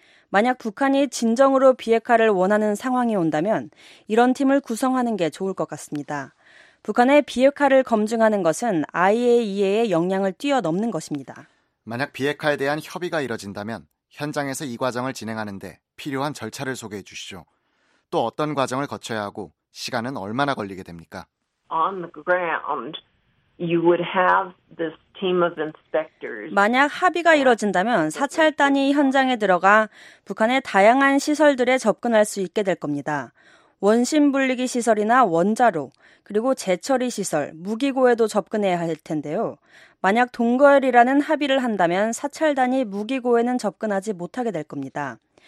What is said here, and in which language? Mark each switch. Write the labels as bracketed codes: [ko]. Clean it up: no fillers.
[ko] 만약 북한이 진정으로 비핵화를 원하는 상황이 온다면 이런 팀을 구성하는 게 좋을 것 같습니다. 북한의 비핵화를 검증하는 것은 IAEA의 역량을 뛰어넘는 것입니다. 만약 비핵화에 대한 협의가 이뤄진다면 현장에서 이 과정을 진행하는데 필요한 절차를 소개해 주시죠. 또 어떤 과정을 거쳐야 하고 시간은 얼마나 걸리게 됩니까? [en] On the ground, you would have this team of inspectors. [ko] 만약 합의가 이뤄진다면 사찰단이 현장에 들어가 북한의 다양한 시설들에 접근할 수 있게 될 겁니다. 원심 분리기 시설이나 원자로, 그리고 재처리 시설, 무기고에도 접근해야 할 텐데요. 만약 동거열이라는 합의를 한다면 사찰단이 무기고에는 접근하지 못하게 될 겁니다.